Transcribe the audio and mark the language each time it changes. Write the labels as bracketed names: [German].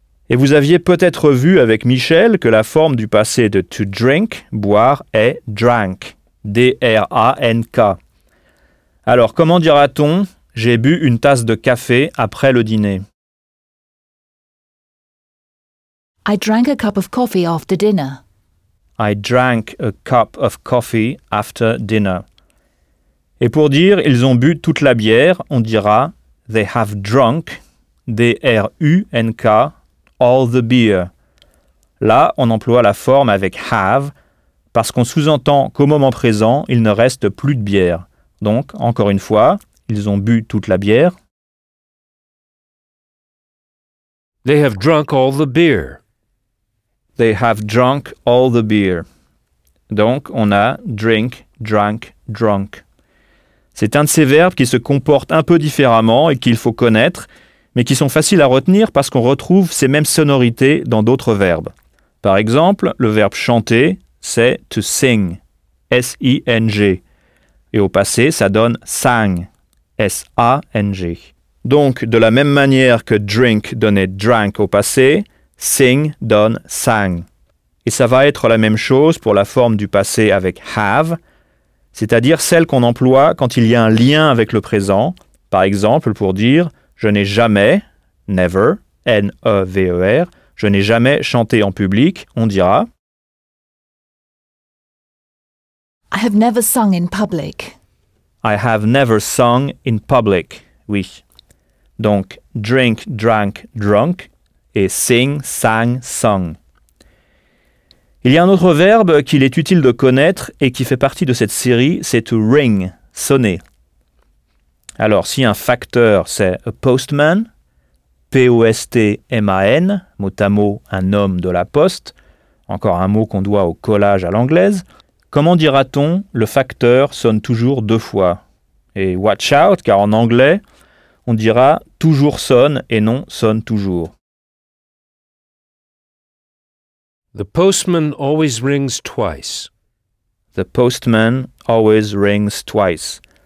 [French] Et vous aviez peut-être vu avec Michel que la forme du passé de to drink, boire, est drank, D-R-A-N-K. Alors, comment dira-t-on « j'ai bu une tasse de café après le dîner » ? [English] I drank a cup of coffee after dinner. I drank a cup of coffee after dinner. [French] Et pour dire « ils ont bu toute la bière », on dira « [English] they have drunk, D-R-U-N-K, all the beer ». [French] Là, on emploie la forme avec « have » parce qu'on sous-entend qu'au moment présent, il ne reste plus de bière. Donc, encore une fois, ils ont bu toute la bière. [English] They have drunk all the beer. They have drunk all the beer. [French] Donc, on a drink, drank, drunk. C'est un de ces verbes qui se comporte un peu différemment et qu'il faut connaître, mais qui sont faciles à retenir parce qu'on retrouve ces mêmes sonorités dans d'autres verbes. Par exemple, le verbe chanter, c'est to sing, S-I-N-G. Et au passé, ça donne sang, S-A-N-G. Donc, de la même manière que drink donnait drank au passé, sing donne sang. Et ça va être la même chose pour la forme du passé avec have, c'est-à-dire celle qu'on emploie quand il y a un lien avec le présent. Par exemple, pour dire je n'ai jamais, never, N-E-V-E-R, je n'ai jamais chanté en public, on dira [English] I have never sung in public. I have never sung in public, oui. [French] Donc, drink, drank, drunk, et sing, sang, sung. Il y a un autre verbe qu'il est utile de connaître et qui fait partie de cette série, c'est to ring, sonner. Alors, si un facteur, c'est a postman, P-O-S-T-M-A-N, mot à mot, un homme de la poste, encore un mot qu'on doit au collage à l'anglaise, comment dira-t-on « le facteur sonne toujours deux fois » ? Et « [English] watch out [French] » car en anglais, on dira « toujours sonne » et non « sonne toujours ». [English] The postman always rings twice. The postman always rings twice.